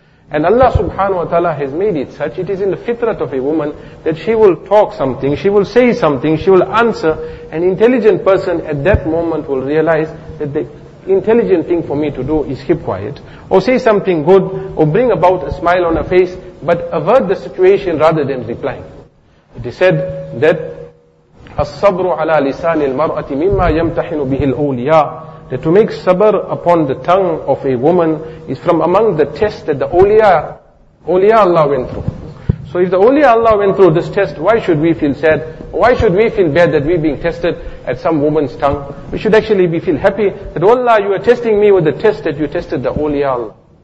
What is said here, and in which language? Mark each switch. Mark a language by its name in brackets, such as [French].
[English] And Allah subhanahu wa ta'ala has made it such, it is in the fitrat of a woman that she will talk something, she will say something, she will answer. An intelligent person at that moment will realize that the intelligent thing for me to do is keep quiet, or say something good, or bring about a smile on her face, but avert the situation rather than replying. It is said that, [Arabic] الصبر على لسان المرأة مما يمتحن به الأولياء. [English] that to make sabr upon the tongue of a woman is from among the tests that the awliya Allah went through. So if the awliya Allah went through this test, why should we feel sad? Why should we feel bad that we're being tested at some woman's tongue? We should actually be feel happy that, Allah, you are testing me with the test that you tested the awliya Allah.